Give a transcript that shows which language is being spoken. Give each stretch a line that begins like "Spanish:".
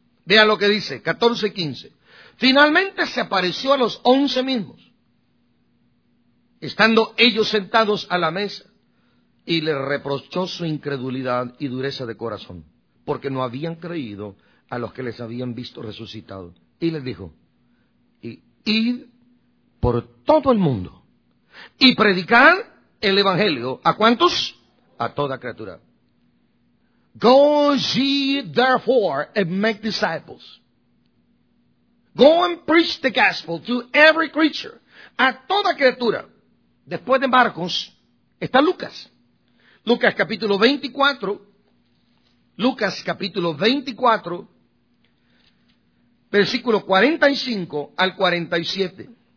Spanish: Vean lo que dice, 14 y 15. Finalmente se apareció a los 11 mismos, estando ellos sentados a la mesa, y les reprochó su incredulidad y dureza de corazón, porque no habían creído a los que les habían visto resucitado. Y les dijo, id por todo el mundo y predicar el evangelio, ¿a cuántos? A toda criatura.
English: Go ye therefore and make disciples. Go and preach the gospel to every creature.
Spanish: A toda criatura. Después de Marcos, está Lucas. Lucas capítulo 24. Lucas capítulo 24. Versículo 45 al 47.